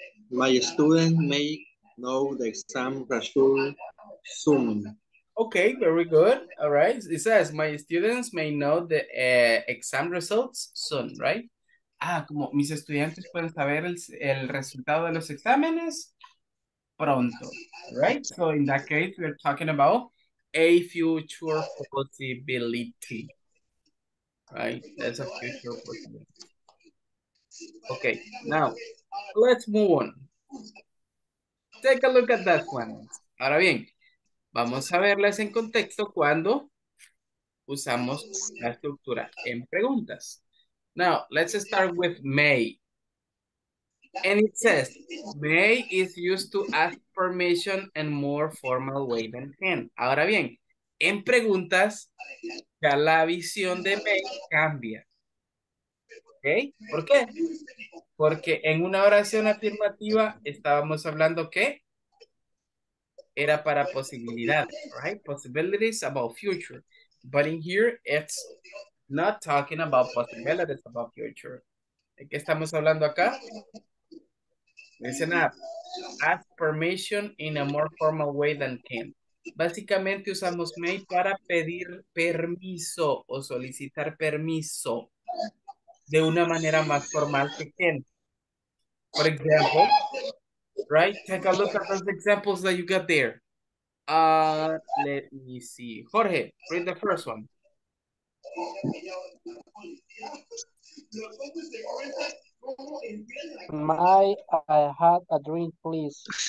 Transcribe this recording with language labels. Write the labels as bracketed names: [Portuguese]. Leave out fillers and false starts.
[English] My student may know the exam result soon. Okay, very good. All right. It says my students may know the exam results soon, right? [Spanish] Ah, como mis estudiantes pueden saber el resultado de los exámenes pronto, [English] right? So in that case, we're talking about a future possibility, right? That's a future possibility. Okay, now let's move on. Take a look at that one. [Spanish] Ahora bien, vamos a verlas en contexto cuando usamos la estructura en preguntas. [English] Now, let's start with may. And it says, may is used to ask permission in more formal way than can. [Spanish] Ahora bien, en preguntas, ya la visión de may cambia. Okay. ¿Por qué? Porque en una oración afirmativa estábamos hablando que era para posibilidades, [English] right? Possibilities about future. But in here, it's not talking about possibilities about future. [Spanish] ¿De qué estamos hablando acá? Mencionar, [English] ask permission in a more formal way than can. [Spanish] Básicamente usamos may para pedir permiso o solicitar permiso de una manera más formal que can. [English] For example, right? Take a look at those examples that you got there. Let me see. Jorge, read the first one. May I have a drink, please?